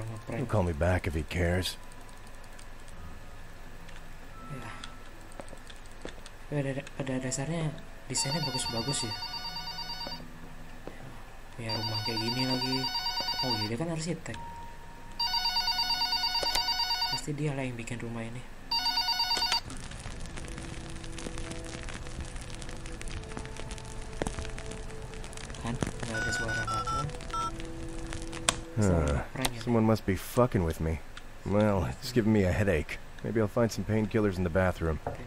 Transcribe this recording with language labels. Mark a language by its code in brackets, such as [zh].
[en] He'll call me back if he cares. Yeah. [id] Pada dasarnya desainnya bagus-bagus ya. Ya rumah kayak gini lagi. Oh iya, dia kan arsitek. Pasti dia lah yang bikin rumah ini. Kan nggak ada suara apa-apa. [en] Someone must be fucking with me. Well, it's giving me a headache. Maybe I'll find some painkillers in the bathroom.